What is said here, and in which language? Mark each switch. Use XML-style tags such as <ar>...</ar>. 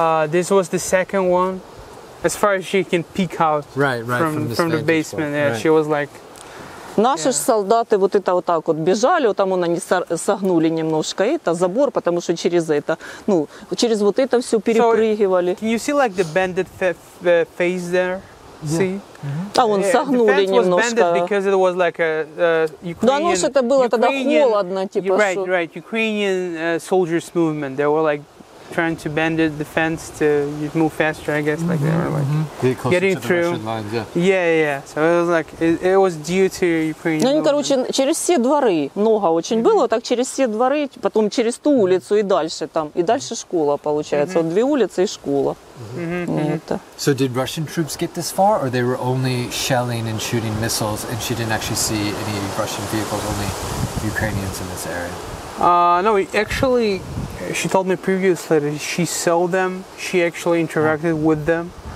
<en>This was the second one. As far as she can peek out from the basement. Yeah, right. She was like...</en> <ru>Наши ж солдаты вот это вот так вот бежали, вот там вон они согнули немножко это, забор, потому что через это, ну, через вот это все перепрыгивали.</ru> <en>So, can you see like the bended face there? See? Yeah.</en> <ru>А вон согнули немножко. Да, оно ж это было тогда холодно, типа.</ru> <en>Right. Ukrainian soldiers movement. They were like trying to bend the fence to move faster, I guess, like they were like getting through. Yeah. So it was like it was due to Ukrainian.</en> <ru>Ну, они, короче, через все дворы много очень было, так через все дворы, потом через ту улицу и дальше там, и дальше школа получается, вот две улицы и школа.</ru> <en>So did Russian troops get this far, or they were only shelling and shooting missiles, and she didn't actually see any Russian vehicles, only Ukrainians in this area? No, actually, she told me previously that she saw them. She actually interacted with them.</en>